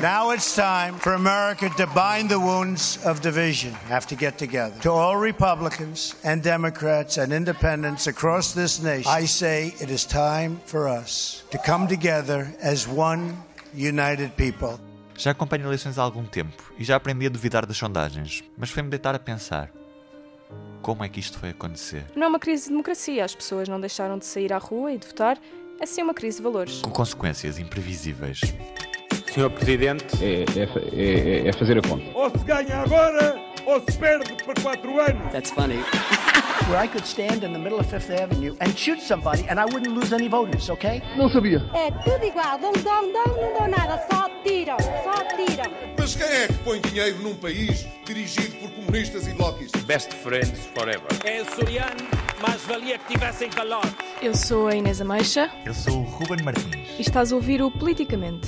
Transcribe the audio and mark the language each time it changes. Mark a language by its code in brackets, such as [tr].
[en] Now it's time for America to bind the wounds of division. Have to get together. To all Republicans and Democrats and independents across this nation, I say it is time for us to come together as one united people. [pt] Já acompanho eleições há algum tempo e já aprendi a duvidar das sondagens, mas foi-me deitar a pensar. Como é que isto foi acontecer? Não é uma crise de democracia. As pessoas não deixaram de sair à rua e de votar. É sim uma crise de valores. Com consequências imprevisíveis. Senhor Presidente, é fazer a conta. Ou se ganha agora, ou se perde por 4 anos. [en] That's funny. Where I could stand in the middle of Fifth Avenue and shoot somebody and I wouldn't lose any voters, ok? [pt] Não sabia. É tudo igual. Dão, dão, dão, não dão nada. Só tiram, só tiram. Mas quem é que põe dinheiro num país dirigido por comunistas e lobbies? [en] Best friends forever. [pt] É o Soriano, mas valia que tivessem calote. Eu sou a Inês Ameixa. Eu sou o Ruben Martins. E estás a ouvir o Politicamente.